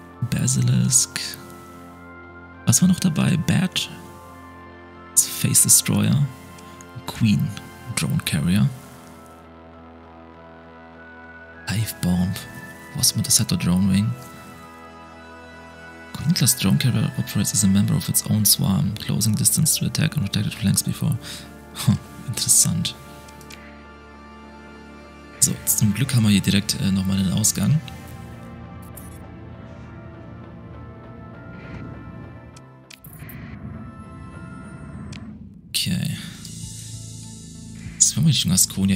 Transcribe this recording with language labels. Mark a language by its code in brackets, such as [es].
[de] Basilisk. Was war noch dabei? Bat. [en] Face Destroyer. Queen. Drone Carrier. Hive Bomb. [de] Was mit der Sato Drone Wing? [en] Queenclass Drone Carrier operates as a member of its own swarm, closing distance to attack on protected flanks before. [de] Huh, interessant. So, zum Glück haben wir hier direkt nochmal den Ausgang. Okay. Jetzt fangen wir schon Asconia.